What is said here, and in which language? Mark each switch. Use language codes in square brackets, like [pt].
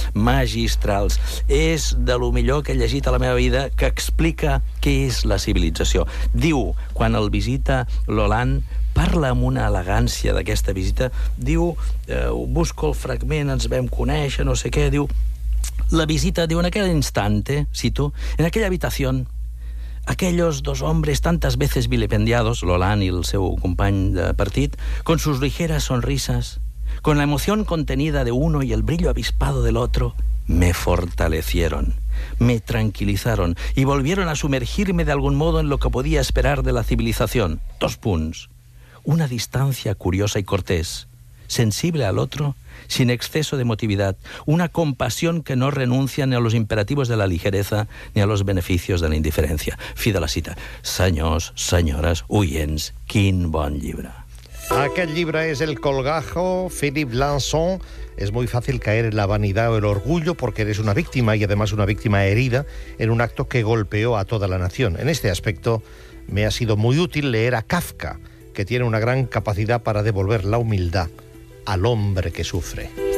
[ca] Magistrals. És de lo millor que he llegit a la meva vida, que explica què és la civilització. Diu, quan el visita l'Hollande, parla amb una elegància d'aquesta visita, diu, busco el fragment, ens vam conèixer, no sé què, diu... [es] La visita, diu, en aquel instante, cito, en aquella habitación, aquellos dos hombres tantas veces vilipendiados, Lolan y [ca] el seu company de partit, [es] con sus ligeras sonrisas, con la emoción contenida de uno y el brillo avispado del otro, me fortalecieron, me tranquilizaron y volvieron a sumergirme de algún modo en lo que podía esperar de la civilización. Dos puntos. Una distancia curiosa y cortés, sensible al otro, sin exceso de emotividad, una compasión que no renuncia ni a los imperativos de la ligereza ni a los beneficios de la indiferencia. [ca] Fi de la cita. Senyors, senyores, oients, quin bon llibre. Aquest llibre és El colgajo, Philip Lanson. [es] Es muy fácil caer en la vanidad o el orgullo porque eres una víctima y además una víctima herida en un acto que golpeó a toda la nación. En este aspecto me ha sido muy útil leer a Kafka, que tiene una gran capacidad para devolver la humildad al hombre que sufre.